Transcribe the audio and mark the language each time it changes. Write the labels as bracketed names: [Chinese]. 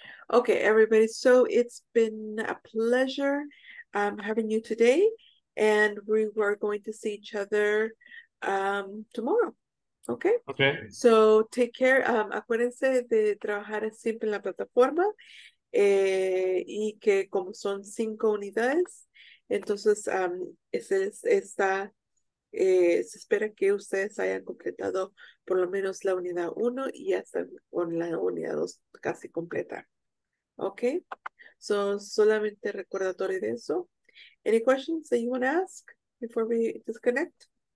[English] Okay, everybody, so it's been a pleasure having you today, and we were going to see each other tomorrow. Okay. Okay. So take care. [Spanish] Acuérdense de trabajar siempre en la plataforma y que como son 5 unidades, entonces se espera que ustedes hayan completado por lo menos la unidad 1 y hasta con la unidad 2 casi completa. Okay. So solamente recordatorio de eso. [English] Any questions that you want to ask before we disconnect?